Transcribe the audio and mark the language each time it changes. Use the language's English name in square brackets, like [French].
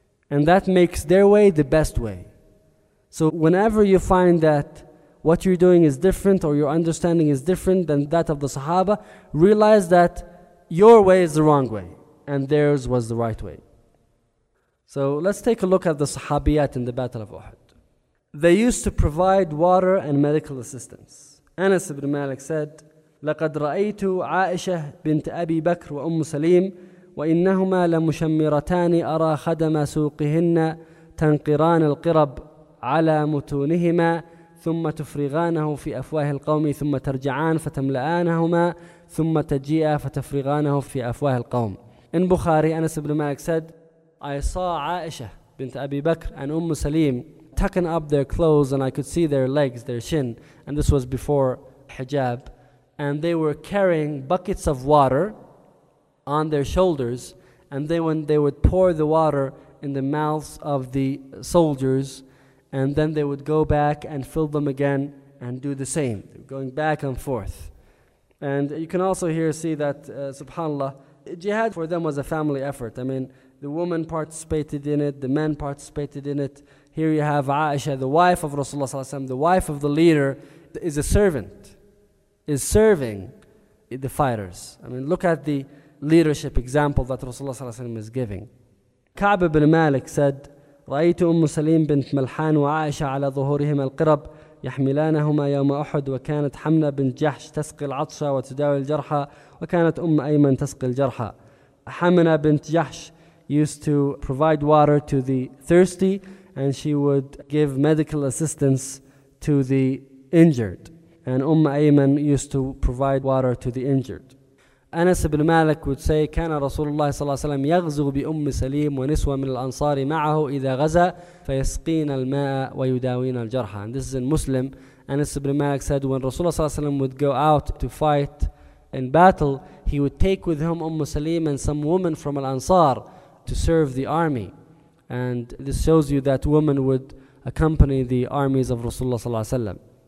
[English] And that makes their way the best way. So whenever you find that what you're doing is different, or your understanding is different than that of the Sahaba, realize that your way is the wrong way and theirs was the right way. So let's take a look at the Sahabiyat in the Battle of Uhud. They used to provide water and medical assistance. [Arabic] Anas ibn Malik said, "لقد رأيت عائشة بنت أبي بكر وأم سليم وإنهما لمشمرتان أرى خدم سوقهن تنقران القرب على متونهما ثم تفرغانه في أفواه القوم ثم ترجعان فتملآنهما ثم تجيء فتفرغانه في أفواه القوم." [English] In Bukhari, Anas ibn Malik said, "I saw Aisha bint Abi Bakr and Umm Salim tucking up their clothes, and I could see their legs, their shin," and this was before hijab, "and they were carrying buckets of water on their shoulders, and then when they would pour the water in the mouths of the soldiers, and then they would go back and fill them again and do the same, going back and forth." And you can also here see that, subhanAllah, jihad for them was a family effort. I mean, the woman participated in it, the men participated in it. Here you have Aisha, the wife of Rasulullah ﷺ, the wife of the leader, is a servant, is serving the fighters. I mean, look at the leadership example that Rasulullah ﷺ is giving. [Arabic] Ka'b ibn Malik said, "رأيت أم سليم بنت ملحان وعائشة على ظهورهما القرب يحملانهما يوم أحد وكانت حمنة بنت جحش تسقي العطشة وتداوي الجرحى وكانت أم أيمن تسقي الجرحى." [English] حمنة بنت جحش used to provide water to the thirsty, and she would give medical assistance to the injured. And أم أيمن used to provide water to the injured. [Arabic] Anas ibn Malik would say, "كان رسول الله صلى الله عليه وسلم يغزو بأم سليم ونسوة من الأنصار معه إذا غزا فيسقين الماء ويداوين الجرحى." [English] And this is in Muslim. Anas ibn Malik said, when Rasulullah [Arabic] صلى الله عليه وسلم [English] would go out to fight in battle, he would take with him Umm Salim and some women from Al-Ansar to serve the army. And this shows you that women would accompany the armies of Rasulullah ﷺ.